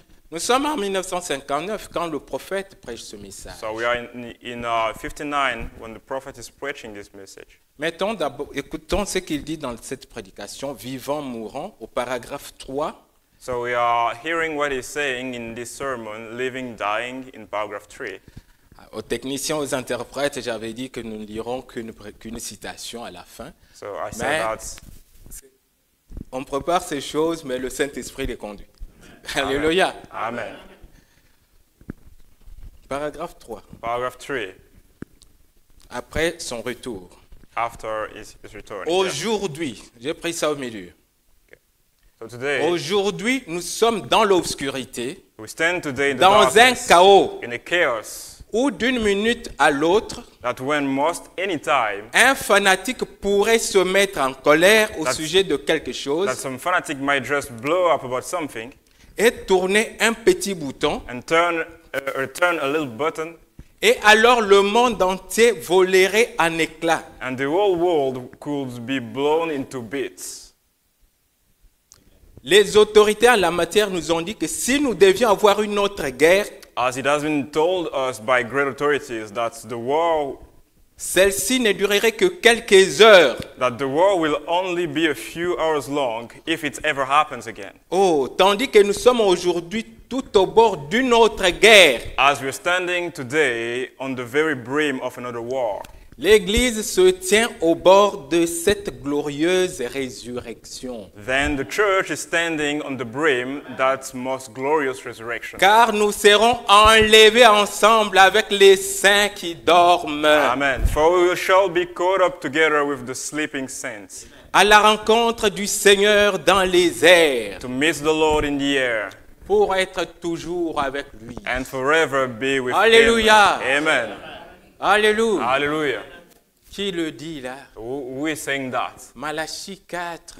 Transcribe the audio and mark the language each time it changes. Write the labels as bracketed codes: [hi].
[fr] Nous sommes en 1959 quand le prophète prêche ce message. [en] So we are in 59 when the prophet is preaching this message. [fr] Mettons d'abord, écoutons ce qu'il dit dans cette prédication, vivant, mourant, au paragraphe 3. [en] So we are hearing what he's saying in this sermon, living, dying, in paragraph 3. [fr] Aux techniciens, aux interprètes, j'avais dit que nous ne lirons qu'une citation à la fin. [en] So I said that. [fr] On prépare ces choses, mais le Saint-Esprit les conduit. Alléluia. Amen. Paragraphe 3. [en] Paragraph 3. [fr] Après son retour. [en] After his return. [fr] Aujourd'hui, j'ai pris ça au milieu. [en] So today, [fr] aujourd'hui, nous sommes dans l'obscurité, [en] we stand today in the [fr] dans [en] darkness, [fr] un chaos, [en] in a chaos, [fr] où d'une minute à l'autre, [en] that when most anytime, [fr] un fanatique pourrait se mettre en colère au sujet de quelque chose, [en] that some fanatic might just blow up about something, [fr] et tourner un petit bouton, [en] and turn a little button, [fr] et alors le monde entier volerait en éclats. [en] And the whole world could be blown into bits. [fr] Les autorités en la matière nous ont dit que si nous devions avoir une autre guerre, [en] as it has been told us by great authorities that the war, [fr] celle-ci ne durerait que quelques heures, [en] that the war will only be a few hours long if it ever happens again. [fr] Oh, tandis que nous sommes aujourd'hui tout au bord d'une autre guerre, [en] as we're standing today on the very brim of another war. [fr] L'Église se tient au bord de cette glorieuse résurrection. [en] Then the church is standing on the brim that most glorious resurrection. [fr] Car nous serons enlevés ensemble avec les saints qui dorment. Amen. [en] For we shall be caught up together with the sleeping saints. [fr] À la rencontre du Seigneur dans les airs. [en] To meet the Lord in the air. [fr] Pour être toujours avec lui. [en] And forever be with Alléluia. Him. Amen. Alléluia. Alléluia. [fr] Qui le dit là? [en] Who is saying that? Malachi 4.